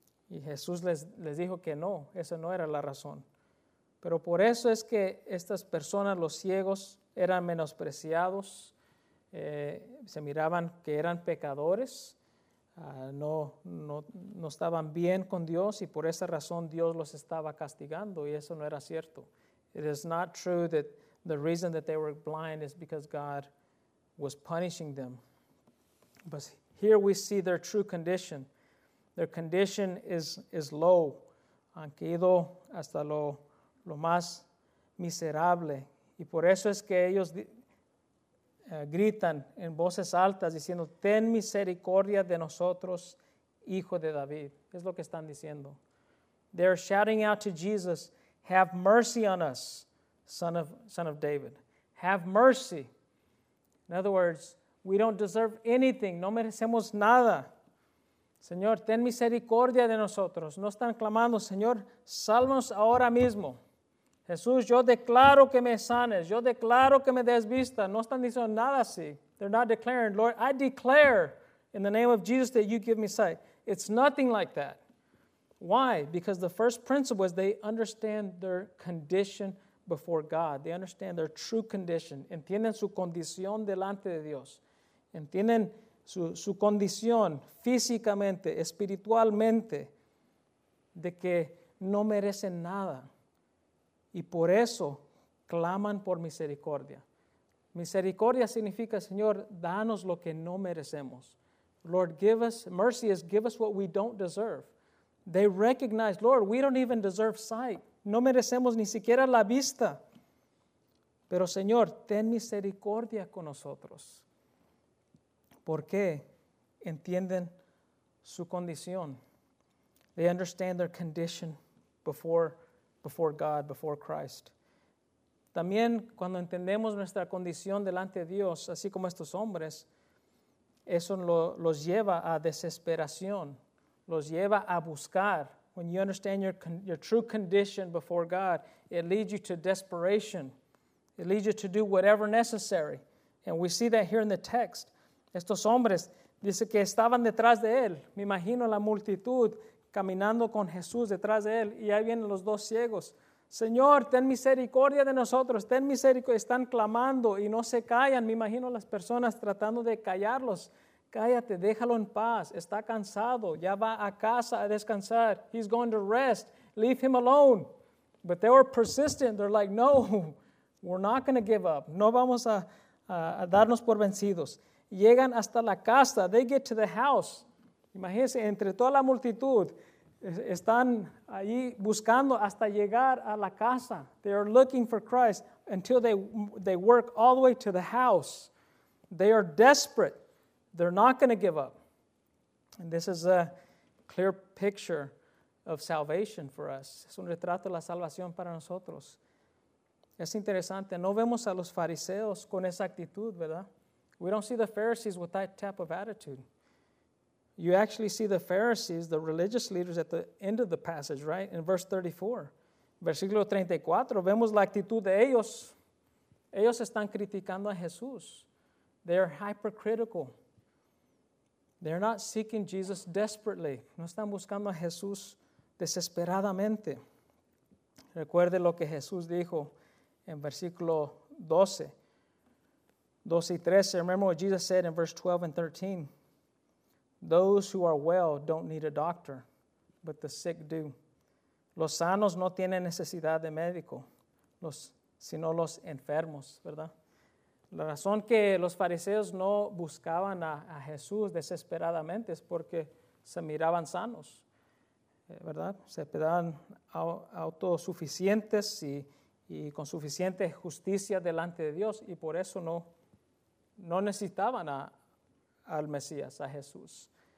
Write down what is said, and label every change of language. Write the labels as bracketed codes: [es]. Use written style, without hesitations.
[es] Y Jesús les dijo que no, esa no era la razón. Pero por eso es que estas personas, los ciegos, eran menospreciados, se miraban que eran pecadores, no estaban bien con Dios y por esa razón Dios los estaba castigando y eso no era cierto. [en] It is not true that the reason that they were blind is because God was punishing them. But here we see their true condition. Their condition is low. [es] Han caído hasta lo más miserable. Y por eso es que ellos gritan en voces altas diciendo, ten misericordia de nosotros, hijo de David. Es lo que están diciendo. [en] They're shouting out to Jesus, have mercy on us, son of David. Have mercy. In other words, we don't deserve anything. [es] No merecemos nada. Señor, ten misericordia de nosotros. No están clamando, Señor, sálvanos ahora mismo. Jesús, yo declaro que me sanes. Yo declaro que me des vista. No están diciendo nada así. [en] They're not declaring, Lord, I declare in the name of Jesus that you give me sight. It's nothing like that. Why? Because the first principle is they understand their condition before God. They understand their true condition. [es] Entienden su condición delante de Dios. Entienden su condición físicamente, espiritualmente, de que no merecen nada. Y por eso claman por misericordia. Misericordia significa, Señor, danos lo que no merecemos. [en] Lord, give us, mercy is give us what we don't deserve. They recognize, Lord, we don't even deserve sight. [es] No merecemos ni siquiera la vista. Pero, Señor, ten misericordia con nosotros. ¿Por qué? Entienden su condición. [en] They understand their condition before God, before Christ. [es] También cuando entendemos nuestra condición delante de Dios, así como estos hombres, eso los lleva a desesperación, los lleva a buscar. [en] When you understand your true condition before God, it leads you to desperation. It leads you to do whatever necessary. And we see that here in the text. [es] Estos hombres, dice que estaban detrás de él. Me imagino la multitud caminando con Jesús detrás de él. Y ahí vienen los dos ciegos. Señor, ten misericordia de nosotros, ten misericordia. Están clamando y no se callan. Me imagino las personas tratando de callarlos. Cállate, déjalo en paz. Está cansado, ya va a casa a descansar. [en] He's going to rest. Leave him alone. But they were persistent. They're like, no, we're not going to give up. [es] No vamos a darnos por vencidos. Llegan hasta la casa. [en] They get to the house. [es] Imagínense, entre toda la multitud, están ahí buscando hasta llegar a la casa. [en] They are looking for Christ until they work all the way to the house. They are desperate. They're not going to give up. And this is a clear picture of salvation for us. [es] Es un retrato de la salvación para nosotros. Es interesante. No vemos a los fariseos con esa actitud, ¿verdad? [en] We don't see the Pharisees with that type of attitude. You actually see the Pharisees, the religious leaders, at the end of the passage, right? In verse 34. [es] Versículo 34, vemos la actitud de ellos. Ellos están criticando a Jesús. [en] They are hypercritical. They're not seeking Jesus desperately. [es] No están buscando a Jesús desesperadamente. Recuerde lo que Jesús dijo en versículo 12. 12 y 13. [en] Remember what Jesus said in verse 12 and 13. Those who are well don't need a doctor, but the sick do. [es] Los sanos no tienen necesidad de médico, sino los enfermos, ¿verdad? La razón que los fariseos no buscaban a Jesús desesperadamente es porque se miraban sanos, ¿verdad? Se miraban autosuficientes y con suficiente justicia delante de Dios, y por eso no necesitaban al Mesías, a Jesús.